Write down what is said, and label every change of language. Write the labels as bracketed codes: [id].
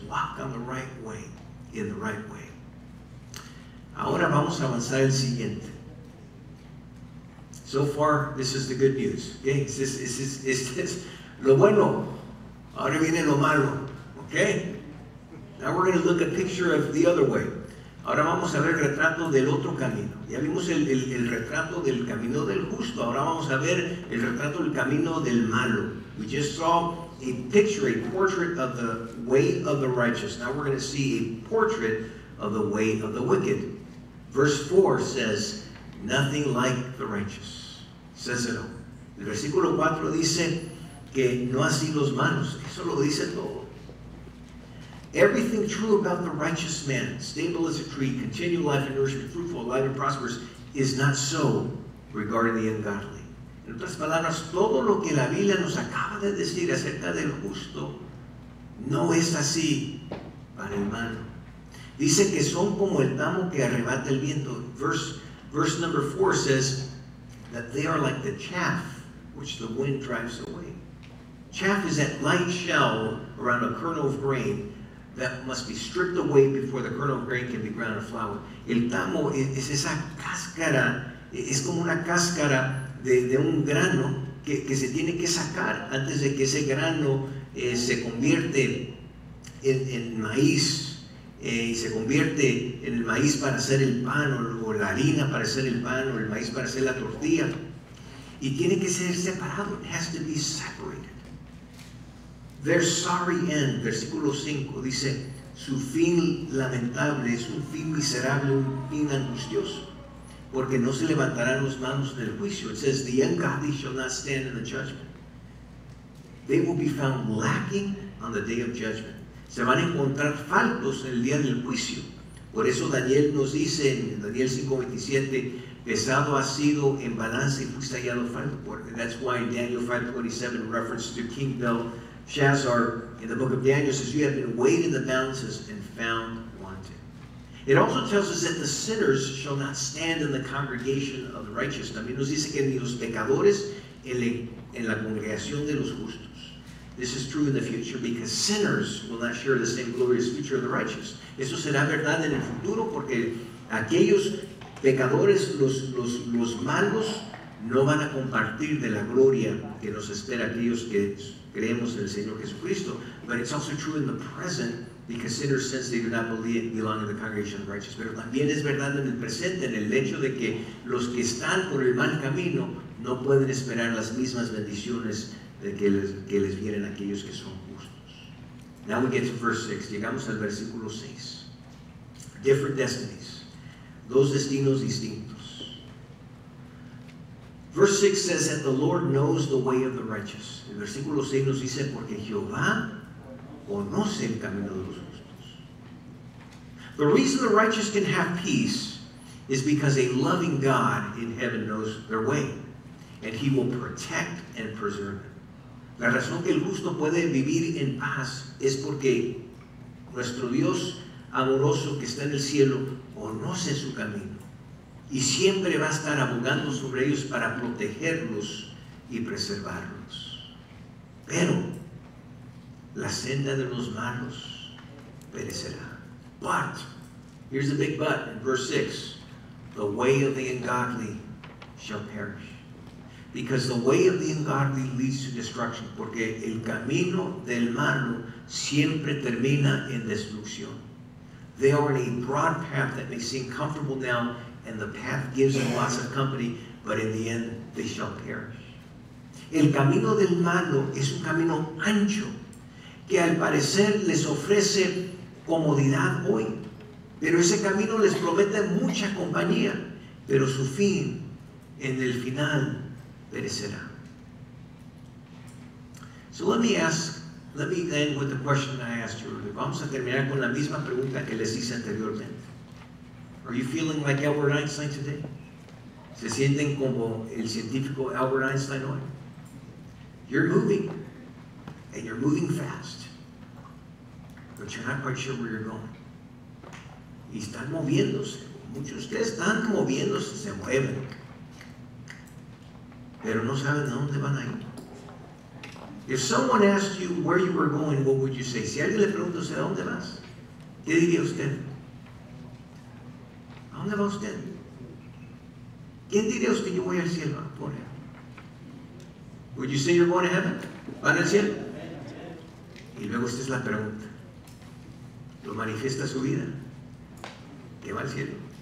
[en] Walk on the right way. In the right way. [es] Ahora vamos a avanzar al siguiente. [en] So far, this is the good news. Okay? Is this [es] lo bueno? Ahora viene lo malo, ¿ok? [en] Now we're going to look at a picture of the other way. [es] Ahora vamos a ver el retrato del otro camino. Ya vimos el retrato del camino del justo. Ahora vamos a ver el retrato del camino del malo. [en] We just saw a picture, a portrait of the way of the righteous. Now we're going to see a portrait of the way of the wicked. Verse 4 says, nothing like the righteous. Says it all. [es] El versículo 4 dice, que no así los malos. Eso lo dice todo. [en] Everything true about the righteous man, stable as a tree, continual life and nourishment, fruitful, alive and prosperous, is not so regarding the ungodly. [es] En otras palabras, todo lo que la Biblia nos acaba de decir acerca del justo no es así para el malo. Dice que son como el tamo que arrebata el viento. [en] Verse number 4 says that they are like the chaff which the wind drives away. Chaff is that light shell around a kernel of grain that must be stripped away before the kernel of grain can be ground into flour. [es] El tamo es esa cáscara, es como una cáscara de un grano que se tiene que sacar antes de que ese grano se convierte en maíz. Y se convierte en el maíz para hacer el pan, o la harina para hacer el pan, o el maíz para hacer la tortilla. Y tiene que ser separado. [en] It has to be separated. Their sorry end, [es] versículo 5, dice, su fin lamentable es un fin miserable, un fin angustioso. Porque no se levantarán las manos en el juicio. [en] It says, the ungodly shall not stand in the judgment. They will be found lacking on the day of judgment. [es] Se van a encontrar faltos el día del juicio. Por eso Daniel nos dice en Daniel 5:27, pesado ha sido en balanza y fuiste hallado falto. [en] That's why Daniel 5:27 reference to King Belshazzar in the book of Daniel says you have been weighed in the balances and found wanting. It also tells us that the sinners shall not stand in the congregation of the righteous. [es] También nos dice que ni los pecadores en la congregación de los justos. [en] This is true in the future because sinners will not share the same glorious future of the righteous. [es] Eso será verdad en el futuro porque aquellos pecadores, los malos, no van a compartir de la gloria que nos espera aquellos que creemos en el Señor Jesucristo. [en] But it's also true in the present because sinners since they do not belong in the congregation of the righteous. [es] Pero también es verdad en el presente en el hecho de que los que están por el mal camino no pueden esperar las mismas bendiciones de que les vienen aquellos que son justos. [en] Now we get to verse 6. [es] Llegamos al versículo 6. [en] Different destinies. [es] Dos destinos distintos. [en] Verse 6 says that the Lord knows the way of the righteous. [es] El versículo 6 nos dice porque Jehová conoce el camino de los justos. [en] The reason the righteous can have peace is because a loving God in heaven knows their way and he will protect and preserve it. [es] La razón que el justo puede vivir en paz es porque nuestro Dios amoroso que está en el cielo conoce su camino y siempre va a estar abogando sobre ellos para protegerlos y preservarlos. Pero la senda de los malos perecerá. [en] But, here's the big but in verse 6, the way of the ungodly shall perish. Because the way of the ungodly leads to destruction. [es] Porque el camino del malo siempre termina en destrucción. [en] They are in a broad path that may seem comfortable now, and the path gives them lots of company, but in the end, they shall perish. [es] El camino del malo es un camino ancho, que al parecer les ofrece comodidad hoy. Pero ese camino les promete mucha compañía, pero su fin, en el final, perecerá. [en] So let me end with the question I asked you earlier. [es] Vamos a terminar con la misma pregunta que les hice anteriormente. [en] Are you feeling like Albert Einstein today? [es] ¿Se sienten como el científico Albert Einstein hoy? [en] You're moving, and you're moving fast, but you're not quite sure where you're going. [es] Y están moviéndose. Muchos de ustedes están moviéndose, se mueven. Pero no saben a dónde van a ir. [en] If someone asked you where you were going, what would you say? [es] Si alguien le pregunta usted, ¿a dónde vas? ¿Qué diría usted? ¿A dónde va usted? ¿Quién diría usted yo voy al cielo? Por él. [en] Would you say you're going to heaven? [es] ¿Van al cielo? Y luego usted es la pregunta. Lo manifiesta su vida. ¿Qué va al cielo?